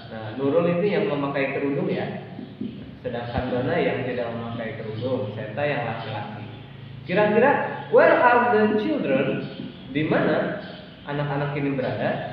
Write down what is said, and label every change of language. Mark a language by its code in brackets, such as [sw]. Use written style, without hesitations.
[id] Nah, Nurul ini yang memakai kerudung ya, sedangkan Dona yang tidak memakai kerudung, Seta yang laki-laki. Kira-kira, [en] where are the children? [id] Di mana anak-anak ini berada?